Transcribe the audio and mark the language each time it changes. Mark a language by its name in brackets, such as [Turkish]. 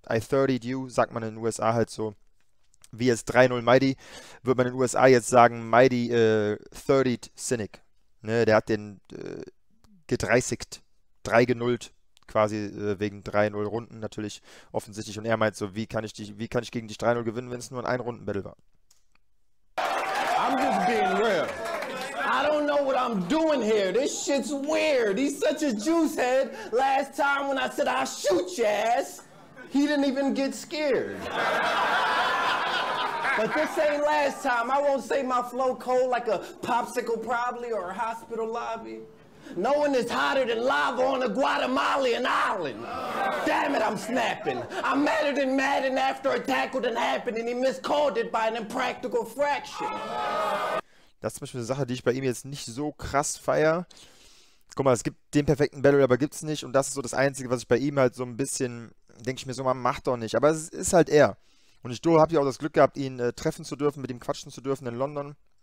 [English] I 30'd you, [German] sagt man in den USA halt so. Wie es 3-0 Mighty, wird man in den USA jetzt sagen, Mighty 30'd Cynic. Ne, der hat den gedreißigt, 3 genullt, quasi wegen 3-0 Runden natürlich offensichtlich. Und er meint so, wie kann ich gegen dich 3-0 gewinnen, wenn es nur ein Runden-Battle war? [English] I'm just being real. I don't know what I'm doing here. This shit's weird. He's such a juice head. Last time when I said I'll shoot your ass, he didn't even get scared. But this ain't last time. I won't say my flow cold like a popsicle probably or a hospital lobby. No one is hotter than lava on a Guatemalan island. Damn it, I'm snapping. I'm madder than Madden after a tackle done happened and he miscalled it by an impractical fraction. [German] Das ist zum Beispiel eine Sache, die ich bei ihm jetzt nicht so krass feiere. Guck mal, es gibt den perfekten Battle, aber gibt's nicht. Und das ist so das Einzige, was ich bei ihm halt so ein bisschen, denke ich mir so, man macht doch nicht. Aber es ist halt er. Und ich habe ja auch das Glück gehabt, ihn treffen zu dürfen, mit ihm quatschen zu dürfen in London.